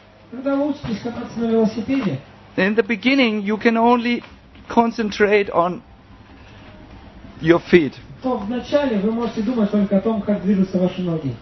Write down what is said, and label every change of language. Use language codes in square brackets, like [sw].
[ru] когда вы учитесь кататься на велосипеде, [en] in the beginning you can only concentrate on your feet. [ru] То вначале вы можете думать только о том, как движутся ваши ноги.